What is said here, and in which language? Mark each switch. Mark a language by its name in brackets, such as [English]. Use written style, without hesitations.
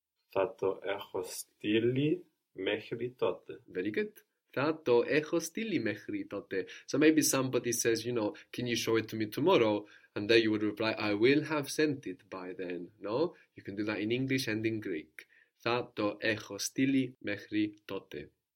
[Greek] Θα το έχω στείλει μέχρι τότε. [English] Very good. [Greek] Θα το έχω στείλει μέχρι τότε. [English] So maybe somebody says, you know, can you show it to me tomorrow? And there you would reply, I will have sent it by then. No? You can do that in English and in Greek. [Greek] Θα το έχω στείλει μέχρι τότε.